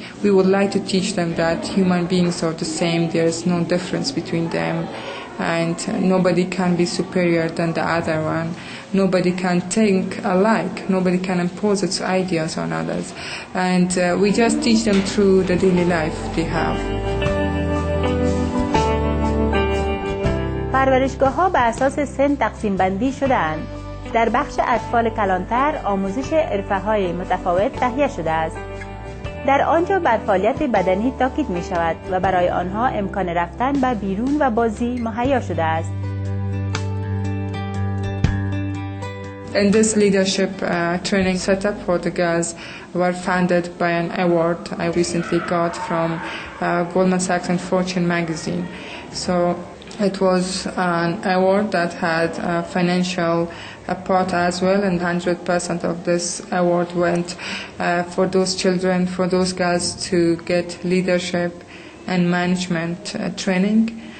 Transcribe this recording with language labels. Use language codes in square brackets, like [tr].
[en] We would like to teach them that human beings are the same, there is no difference between them, and nobody can be superior than the other one. Nobody can think alike, nobody can impose its ideas on others. And we just teach them through the daily life they have. [fa] پرورشگاه ها به اساس سن تقسیم بندی شده اند. در بخش اطفال کلانتر آموزش عرفه های متفاوت تهیه شده است. در آنجا بر فعالیت بدنی تاکید می شود و برای آنها امکان رفتن به بیرون و بازی مهیا شده است. [en] And this leadership training setup for the girls were funded by an award I recently got from Goldman Sachs and Fortune magazine. So it was an award that had a financial part as well, and 100% of this award went for those children, for those girls to get leadership and management training.